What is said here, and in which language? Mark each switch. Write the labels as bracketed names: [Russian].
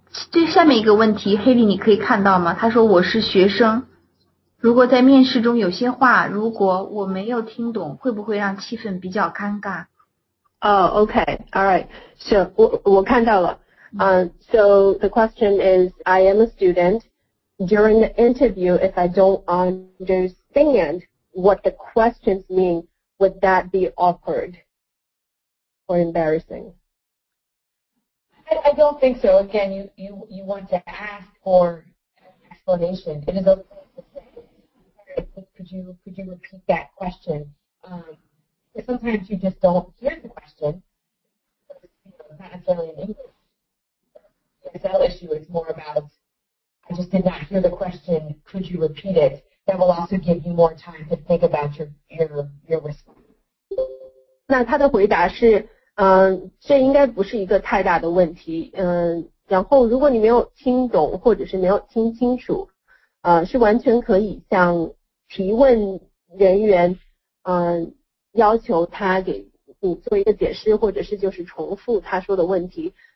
[Chinese] 这下面一个问题，黑莉你可以看到吗？他说我是学生，如果在面试中有些话，如果我没有听懂，会不会让气氛比较尴尬？ [English] OK，Alright，so [Chinese] 我看到了。 [English] So the question is, I am a student. During the interview, if I don't understand what the questions mean, would that be awkward or embarrassing? I don't think so. Again, you want to ask for explanation. It is okay to say, could you repeat that question? Sometimes you just don't hear the question. Not necessarily in English. Cell issue, it's more about, I just did not hear the question, could you repeat it? That will also give you more time to think about your response. [Chinese] 那他的回答是，这应该不是一个太大的问题，然后如果你没有听懂或者是没有听清楚，是完全可以向提问人员，要求他给你做一个解释，或者是就是重复他说的问题。